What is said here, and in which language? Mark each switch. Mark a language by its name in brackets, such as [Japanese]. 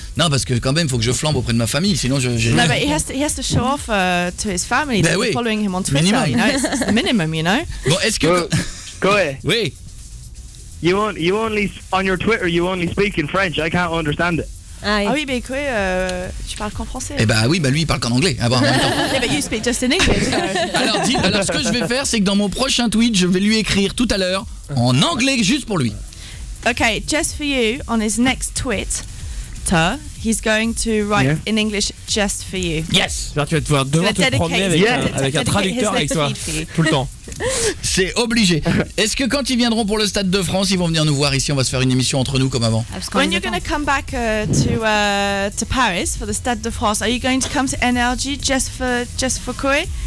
[French] non, parce que quand même, faut que je flambe auprès de ma famille, sinon je. [English] No, but he has to show off to his family. [French] Ben oui. [English] Following him on Twitter. Minimum, you know, it's minimum, you know. [French] Bon, est-ce que Koei? Oui. [English] You only on your Twitter, you only speak in French. I can't understand it. [French] Ah oui, mais Koei, tu parles qu'en français. Eh bah oui, bah lui, il parle qu'en anglais. Ah bon, en même temps. [English] Yeah, but you speak just in English. [French] Alors, ce que je vais faire, c'est que dans mon prochain tweet, je vais lui écrire tout à l'heure en anglais juste pour lui. [English] Okay, just for you, on his next Twitter, he's going to write in English just for you. Yes. [French] Alors, tu vas devoir devant te promener avec un traducteur avec toi, tout le temps. C'est obligé. Est-ce que quand ils viendront pour le Stade de France, ils vont venir nous voir ici, on va se faire une émission entre nous comme avant? [English] When you're going to come back to Paris for the Stade de France, are you going to come to NRG just for Koei?